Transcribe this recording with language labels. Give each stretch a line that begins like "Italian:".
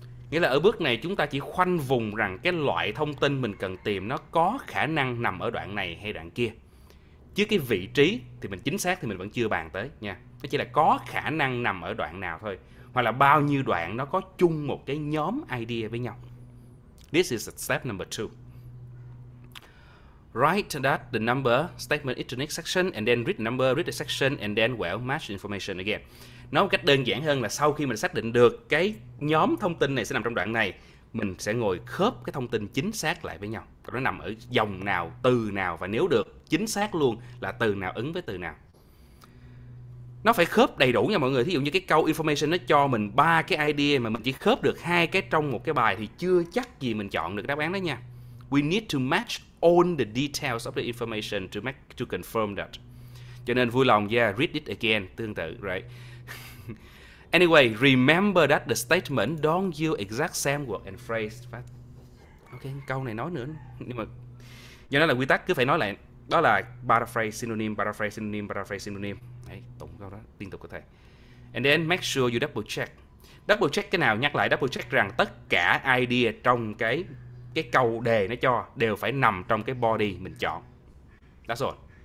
Vietnamese: Nghĩa là ở bước này chúng ta chỉ khoanh vùng rằng cái loại thông tin mình cần tìm nó có khả năng nằm ở đoạn này hay đoạn kia. Chứ cái vị trí thì mình chính xác thì mình vẫn chưa bàn tới nha. Nó chỉ là có khả năng nằm ở đoạn nào thôi. Hoặc là bao nhiêu đoạn nó có chung một cái nhóm idea với nhau.
English: This is step number 2. Write that the number statement into the next section and then read the number, read the section and then well match information again.
Vietnamese: Nói một cách đơn giản hơn là sau khi mình xác định được cái nhóm thông tin này sẽ nằm trong đoạn này, mình sẽ ngồi khớp cái thông tin chính xác lại với nhau. Còn nó nằm ở dòng nào, từ nào và nếu được chính xác luôn là từ nào ứng với từ nào. Nó phải khớp đầy đủ nha mọi người. Thí dụ như cái câu information nó cho mình ba cái idea mà mình chỉ khớp được hai cái trong một cái bài thì chưa chắc gì mình chọn được đáp án đó nha.
English: We need to match all the details of the information to make to confirm that.
Vietnamese: Cho nên vui lòng
English: yeah, read it again,
Vietnamese: tương tự,
English: right? Anyway, remember that the statement don't use exact same word and phrase.
Vietnamese: Ok, câu này nói nữa. Nhưng mà do đó là quy tắc cứ phải nói lại. Đó là paraphrase, synonym, paraphrase, synonym, paraphrase, synonym. Đấy, tụng câu đó, liên tục có thể.
English: And then make sure you double check.
Vietnamese: Double check cái nào? Nhắc lại double check rằng tất cả idea trong cái câu đề nó cho đều phải nằm trong cái body mình chọn.
English: That's all.